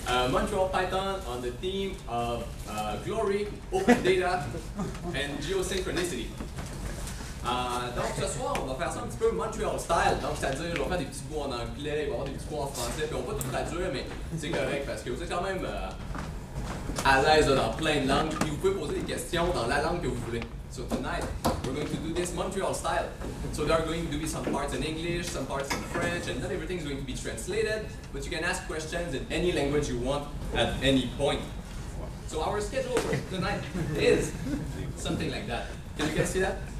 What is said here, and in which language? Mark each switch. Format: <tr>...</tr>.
<en>Montreal Python on the theme of glory, open data and geosynchronicity.</en> <fr>Donc ce soir, on va faire ça un petit peu Montreal style, donc c'est-à-dire on va faire des petits mots en anglais, il va y avoir des petits mots en français, puis on va tout traduire, mais c'est correct parce que vous êtes quand même à l'aise dans plein de langues, puis vous pouvez poser des questions dans la langue que vous voulez.</fr> <en>So tonight, we're going to do this Montreal style. So there are going to be some parts in English, some parts in French, and not everything is going to be translated, but you can ask questions in any language you want at any point. So our schedule for tonight is something like that. Can you guys see that?</en>